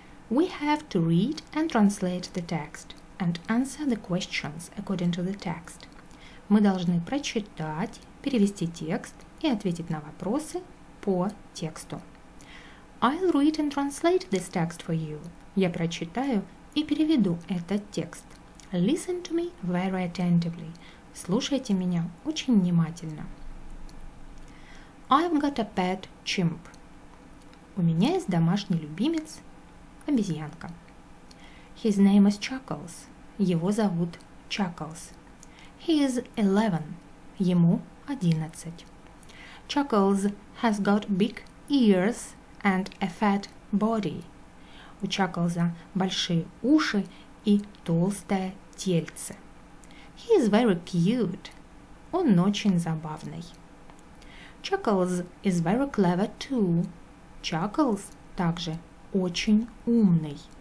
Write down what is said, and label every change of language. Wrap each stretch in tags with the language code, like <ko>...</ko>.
<en>We have to read and translate the text and answer the questions according to the text.</en> <ru>Мы должны прочитать, перевести текст и ответить на вопросы по тексту.</ru> <en>I'll read and translate this text for you.</en> <ru>Я прочитаю и переведу этот текст.</ru> <en>Listen to me very attentively.</en> <ru>Слушайте меня очень внимательно.</ru> <en>I've got a pet chimp.</en> <ru>У меня есть домашний любимец, обезьянка.</ru> <en>His name is Chuckles.</en> <ru>Его зовут</ru> <en>Chuckles. He is 11.</en> <ru>Ему 11.</ru> <en>Chuckles has got big ears and a fat body.</en> <ru>У Чаклза большие уши и толстое тельце.</ru> <en>He is very cute.</en> <ru>Он очень забавный.</ru> <en>Chuckles is very clever too. Chuckles</en> <ru>также очень умный.</ru>